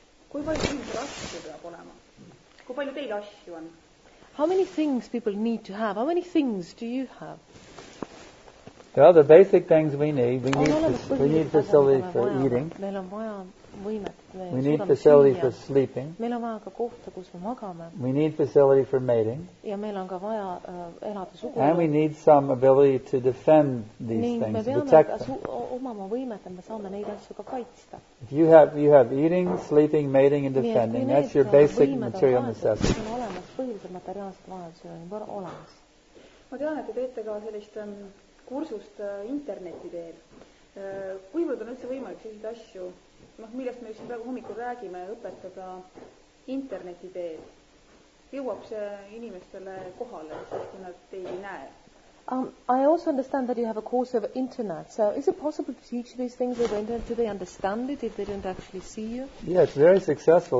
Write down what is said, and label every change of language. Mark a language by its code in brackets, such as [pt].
[et] Kui palju inimesed asju peab olema? Kui palju teil asju on? [en] How many things people need to have? How many things do you have? Well, the basic things we need. We need facility for eating. [et] Meil on vaja võimet. [en] We need facility for sleeping. [et] Meil on vaja ka kohta, kus me magame. [en] We need facility for mating. [et] Ja meil on ka vaja elada sugulasega. [en] And we need some ability to defend these things, to protect them. [et] Omama võimet, et me saame neid asju ka kaitsta. [en] If you have eating, sleeping, mating and defending, that's your basic material necessity. [et] Meil on olemas põhilised materiaalsed vajadused on olemas. Ma tean, et te teete ka sellist kursust interneti teel. Kuivõrd on üldse võimalik sellised asju, millest me just praegu hommikul räägime, õpetada interneti teel? Jõuab see inimestele kohale, sest kui nad teid ei näe? [en] I also understand that you have a course over internet. So is it possible to teach these things over internet? Do they understand it if they don't actually see you? Yeah, it's very successful.